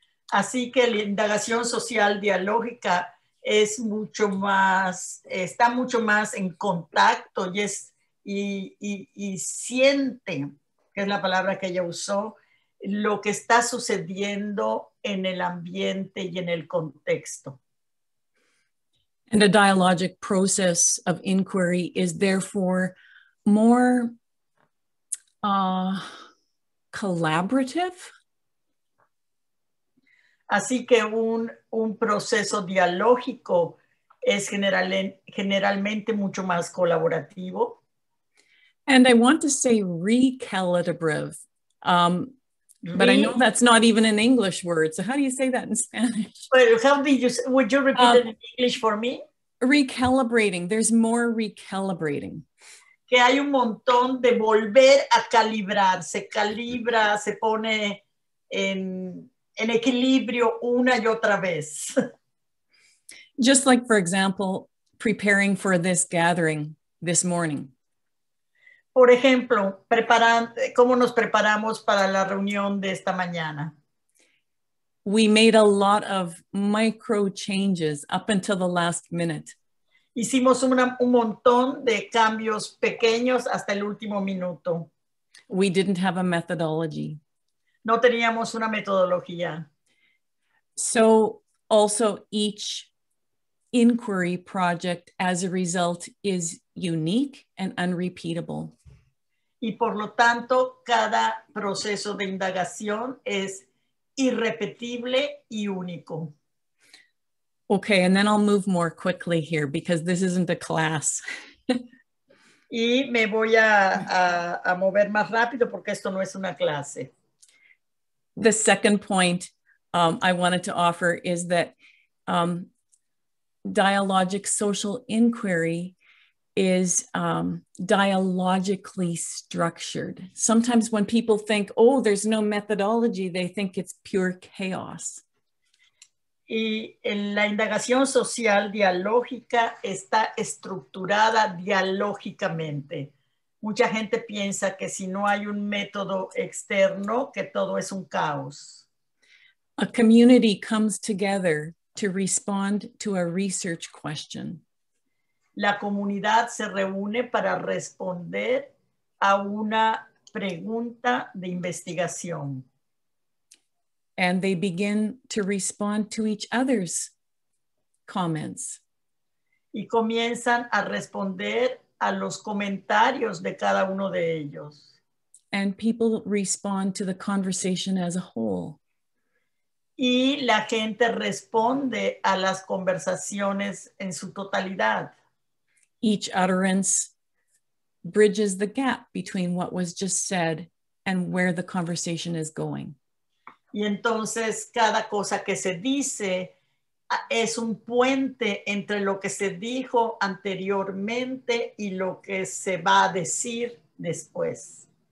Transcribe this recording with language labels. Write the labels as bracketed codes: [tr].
[es] Así que la indagación social dialógica es mucho más, está mucho más en contacto y es y siente, que es la palabra que ella usó, lo que está sucediendo en el ambiente y en el contexto. [en] And a dialogic process of inquiry is therefore more collaborative. [es] Así que un proceso dialógico es generalmente mucho más colaborativo. [en] And I want to say recalibrative, but I know that's not even an English word. So how do you say that in Spanish? Well, how do you, would you repeat it in English for me? Recalibrating. There's more recalibrating. [es] Que hay un montón de volver a calibrar. Se calibra, se pone en equilibrio una y otra vez. [en] Just like, for example, preparing for this gathering this morning. [es] Por ejemplo, ¿cómo nos preparamos para la reunión de esta mañana? [en] We made a lot of micro changes up until the last minute. [es] Hicimos un montón de cambios pequeños hasta el último minuto. [en] We didn't have a methodology. [es] No teníamos una metodología. [en] So also each inquiry project as a result is unique and unrepeatable. [es] Y por lo tanto, cada proceso de indagación es irrepetible y único. [en] Okay, and then I'll move more quickly here because this isn't a class. [es] Y me voy a mover más rápido porque esto no es una clase. [en] The second point I wanted to offer is that dialogic social inquiry is dialogically structured. Sometimes when people think, oh, there's no methodology, they think it's pure chaos. [es] Y en la indagación social dialógica está estructurada dialógicamente. Mucha gente piensa que si no hay un método externo, que todo es un caos. [en] A community comes together to respond to a research question. [es] La comunidad se reúne para responder a una pregunta de investigación. [en] And they begin to respond to each other's comments. [es] Y comienzan a responder a los comentarios de cada uno de ellos. [en] And people respond to the conversation as a whole. [es] Y la gente responde a las conversaciones en su totalidad. [en] Each utterance bridges the gap between what was just said and where the conversation is going. [es] Y entonces cada cosa que se dice es un puente entre lo que se dijo anteriormente y lo que se va a decir después.